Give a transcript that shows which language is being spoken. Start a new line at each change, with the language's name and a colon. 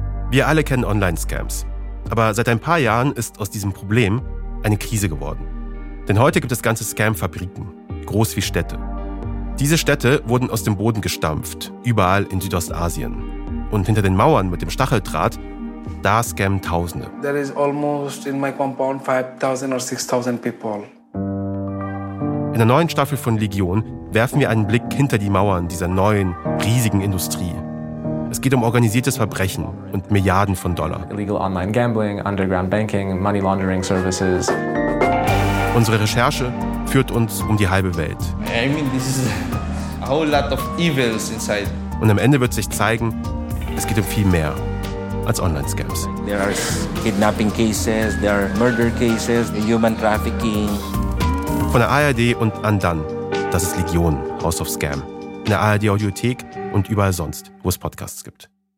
German: Wir alle kennen Online-Scams. Aber seit ein paar Jahren ist aus diesem Problem eine Krise geworden. Denn heute gibt es ganze Scam-Fabriken, groß wie Städte. Diese Städte wurden aus dem Boden gestampft, überall in Südostasien. Und hinter den Mauern mit dem Stacheldraht, da scammen Tausende.
English: There is almost in my compound 5,000 or 6,000 people.
German: In der neuen Staffel von Legion werfen wir einen Blick hinter die Mauern dieser neuen, riesigen Industrie. Es geht um organisiertes Verbrechen und Milliarden von Dollar.
English: Illegal online gambling, underground banking, money laundering services.
German: Unsere Recherche führt uns um die halbe Welt.
English: I mean, this is a whole lot of evils inside.
German: Und am Ende wird sich zeigen, es geht um viel mehr als Online-Scams.
English: There are kidnapping cases, there are murder cases, human trafficking.
German: Von der ARD und Andan, das ist Legion, House of Scam. In der ARD-Audiothek und überall sonst, wo es Podcasts gibt.